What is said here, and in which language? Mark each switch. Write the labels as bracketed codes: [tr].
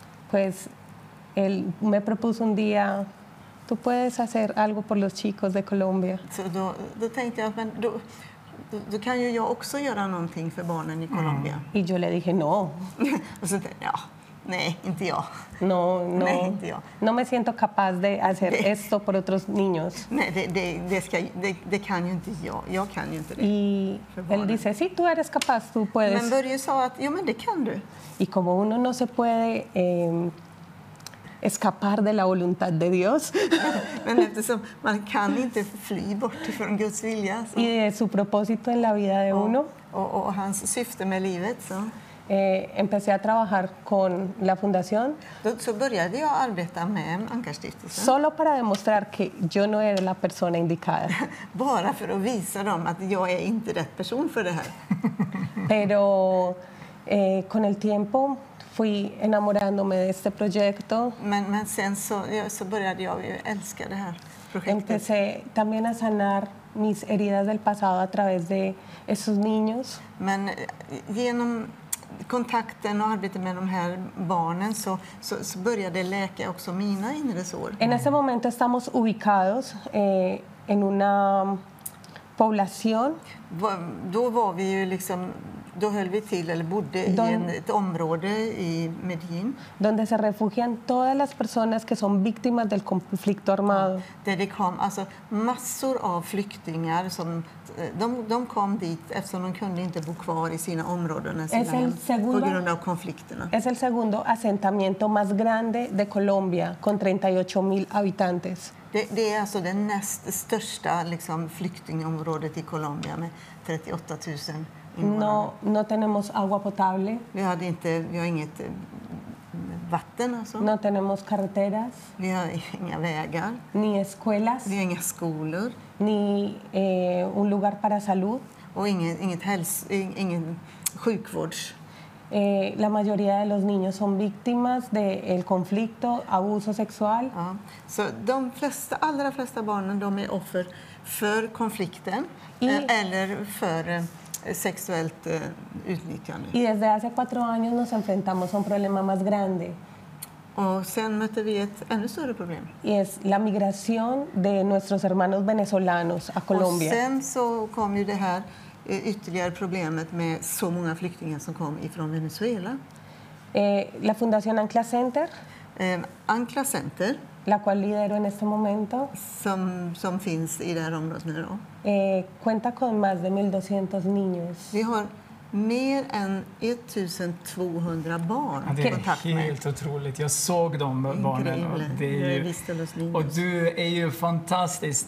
[es] Pues él me propuso un día, tú puedes hacer algo por los chicos de Colombia. [sv] Då tänkte jag, men då kan ju jag också göra någonting för barnen i Colombia. [es] Y yo le dije no. [sv] Och så tänkte jag, nej, inte jag. No, nej, inte jag. [es] No me siento capaz de hacer esto por otros niños. [sv] Nej, det kan ju inte jag. Jag kan ju inte det. [es] Y él dice, sí, tú eres capaz, tú puedes. [sv] Men Börje sa att, ja men det kan du. [es] Y como uno no se puede escapar de la voluntad de Dios. [sv] Men eftersom man kan inte fly bort från Guds vilja. Så. [es] Y de su propósito en la vida de uno. [sv] Och hans syfte med livet. Så. [es] Empecé a trabajar con la fundación. [sv] Så började jag arbeta med Ankarstiftelsen. [es] Solo para demostrar que yo no era la persona indicada. [sv] Bara för att visa dem att jag är inte rätt person för det här. [es] Pero con el tiempo fui enamorándome de este proyecto. [sv] Men sen så började jag älska det här projektet. [es] Empecé también a sanar mis heridas del pasado a través de esos niños. [sv] Men genom kontakten och arbetet med de här barnen så började läka också mina inre sår. [es] En ese momento estamos ubicados en una población. [sv] Då var vi ju liksom, då höll vi till eller bodde ett område i Medellín. [es] Donde se refugian todas las personas que son víctimas del conflicto armado. [sv] Där det kom alltså massor av flyktingar som de kom dit eftersom de kunde inte bo kvar i sina områden på grund av konflikterna. [es] Es el segundo asentamiento más grande de Colombia con 38,000 habitantes. [sv] Det är alltså det näst största liksom flyktingområdet i Colombia med 38,000. [es] No tenemos agua potable. [sv] Vi har inget vatten alltså. [es] No tenemos carreteras. [sv] Vi har inga vägar. [es] Ni escuelas. [sv] Vi har inga skolor. [es] Ni un lugar para salud. [sv] Och ingen sjukvård. [es] La mayoría de los niños son víctimas del conflicto, abuso sexual. [sv] Ja. Så de flesta, allra flesta barnen, de är offer för konflikten eller för sexuellt utnyttjande. [es] Y desde hace 4 años nos enfrentamos a un problema más grande. [sv] Och sen mötte vi ett ännu större problem. [es] Y es la migración de nuestros hermanos venezolanos a Colombia. [sv] Och sen så kom ju det här ytterligare problemet med så många flyktingar som kom ifrån Venezuela. [es] La Fundación Ancla Center. Ancla Center. La cual lidero en este momento. [sv] Som finns i det här området nu då. [es] Cuenta con más de 1200 niños. [sv] Vi har mer än 1200 barn i kontakt med. Det är helt otroligt. Jag såg de barnen. Och du är ju fantastisk.